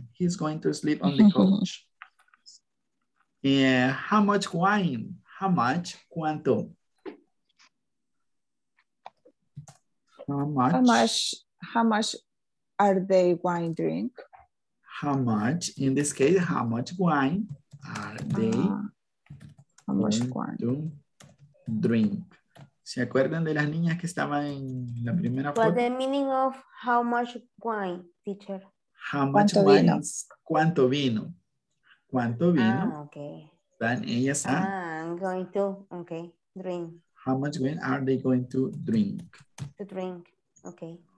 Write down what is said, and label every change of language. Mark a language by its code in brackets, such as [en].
[en] He's going to sleep on the couch. Yeah, how much wine? How much? Cuánto? How much are they wine drink? How much? In this case, how much wine are they? How much wine? Drink. [es] ¿Se acuerdan de las niñas que estaban en la primera foto? [en] What's the meaning of how much wine, teacher? How much wine? [es] Vino? ¿Cuánto vino? ¿Cuánto vino? [en] Okay. [es] Van ellas a... [en] I'm going to, okay, drink. How much wine are they going to drink? To drink, okay.